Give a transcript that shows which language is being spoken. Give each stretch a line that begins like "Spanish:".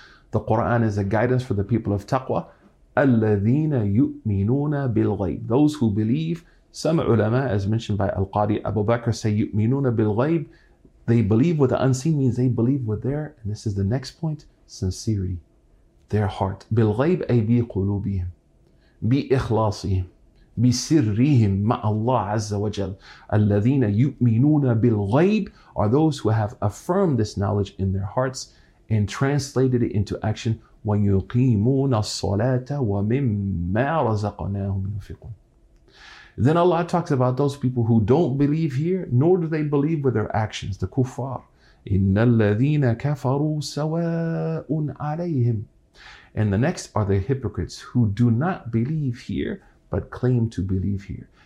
English: The Quran is a guidance for the people of taqwa.
Arabic: Alladhina yu'minuna bil ghayb.
English: Those who believe, some ulama, as mentioned by Al-Qadi Abu Bakr, say
Arabic: yu'minuna bil ghayb.
English: They believe with the unseen means they believe with their, and this is the next point, sincerity, their heart.
Arabic: بالغيب أي بقلوبهم بإخلاصهم بسرهم مع الله عز وجل. الذين يؤمنون بالغيب
English: are those who have affirmed this knowledge in their hearts and translated it into action.
Arabic: ويقيمون الصلاة ومما رزقناهم ينفقون.
English: Then Allah talks about those people who don't believe here, nor do they believe with their actions, the kuffar.
Arabic: إِنَّ الَّذِينَ كَفَرُوا سَوَاءٌ عَلَيْهِمْ.
English: And the next are the hypocrites who do not believe here, but claim to believe here.